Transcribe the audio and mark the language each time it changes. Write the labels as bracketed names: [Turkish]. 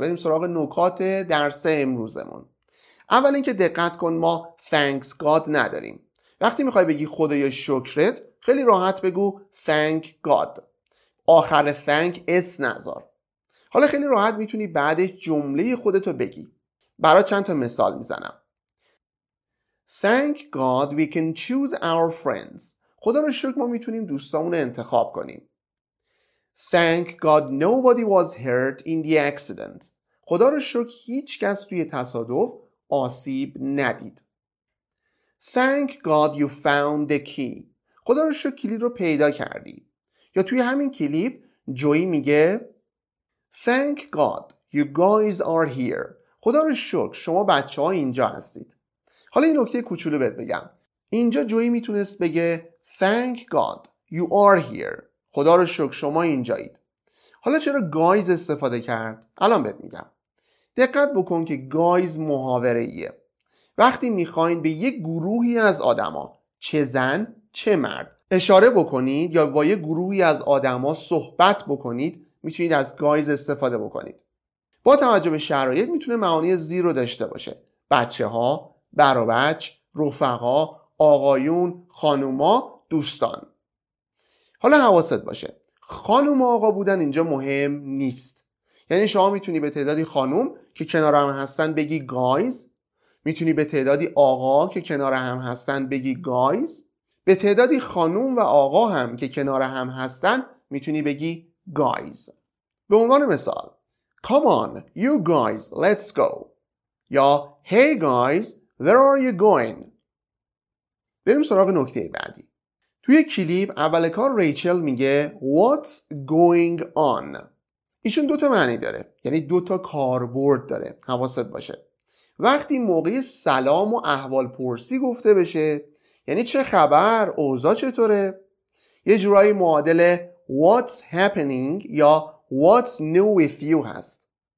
[Persian] بریم سراغ نکات درس امروزمون. اول اینکه دقت کن، ما [English] thanks God [Persian] نداریم. وقتی میخوای بگی خدایا شکرت، خیلی راحت بگو [English] thank God. [Persian] آخر thank اس نذار. حالا خیلی راحت میتونی بعدش جمله خودتو بگی. برای چند تا مثال میزنم. [English] Thank God we can choose our friends. [Persian] خدا رو شکر ما میتونیم دوستامون انتخاب کنیم. [English] Thank God nobody was hurt in the accident. [Persian] خدا رو شکر هیچ کس توی تصادف آسیب ندید. [English] Thank God you found the key. [Persian] خدا رو شکر کلید رو پیدا کردی. یا توی همین کلیپ جوی میگه [English] Thank God you guys are here. [Persian] خدا رو شکر شما بچه ها اینجا هستید. حالا این نکته کوچولو بهت بگم. اینجا جوی میتونست بگه [English] Thank God you are here. [Persian] خدا رو شکر شما اینجایید. حالا چرا guys استفاده کرد؟ الان بهت میگم. دقت بکن که guys محاوره ایه. وقتی میخواین به یک گروهی از آدما، چه زن چه مرد، اشاره بکنید یا با یک گروهی از آدما صحبت بکنید، میتونید از guys استفاده بکنید. با توجه به شرایط میتونه معانی زیر رو داشته باشه. بچه ها، برابچ، رفقا، آقایون، خانوما، دوستان. حالا حواست باشه، خانوم و آقا بودن اینجا مهم نیست. یعنی شما میتونی به تعدادی خانوم که کنار هم هستن بگی guys، میتونی به تعدادی آقا که کنار هم هستن بگی guys، به تعدادی خانوم و آقا هم که کنار هم هستن میتونی بگی guys. به عنوان مثال، [English] come on you guys let's go، [Persian] یا [English] hey guys where are you going. [Persian] بریم سراغ نکته بعدی. توی کلیپ اول کار ریچل میگه [English] What's going on؟ [Persian] ایشون دوتا معنی داره، یعنی دوتا کاربرد داره. حواست باشه وقتی موقع سلام و احوال پرسی گفته بشه، یعنی چه خبر، اوضاع چطوره، یه جورایی معادل [English] What's happening [Persian] یا [English] What's new with you [Persian] هست.